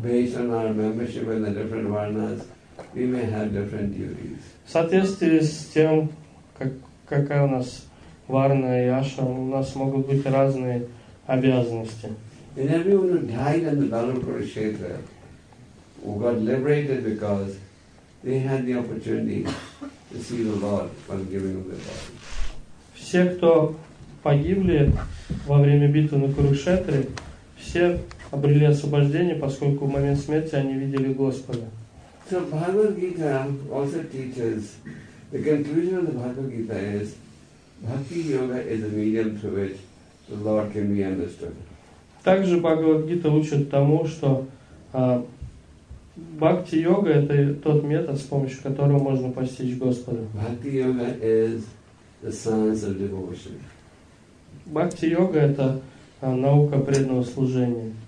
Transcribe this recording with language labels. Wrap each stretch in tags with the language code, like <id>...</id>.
<en>Based on our membership in the different varnas, we may have different duties.</en> <ru>В соответствии с тем, какая у нас варна и аша, у нас могут быть разные обязанности.</ru> <en>And everyone who died in the Balampur Kshetra who got liberated because they had the opportunity to see the Lord while giving them their body.</en> <ru>Все, кто погибли во время битвы на Курукшетре, все обрели освобождение, поскольку в момент смерти они видели Господа.</ru> <en>So Bhagavad Gita also teaches, the conclusion of the Bhagavad Gita is, Bhakti Yoga is a medium through which the Lord can be understood.</en> <ru>Также Бхагавад Гита учит тому, что Бхакти Йога это тот метод, с помощью которого можно постичь Господа.</ru> <en>Bhakti Yoga is the science of devotion.</en> <ru>Бхакти Йога это наука преданного служения.</ru>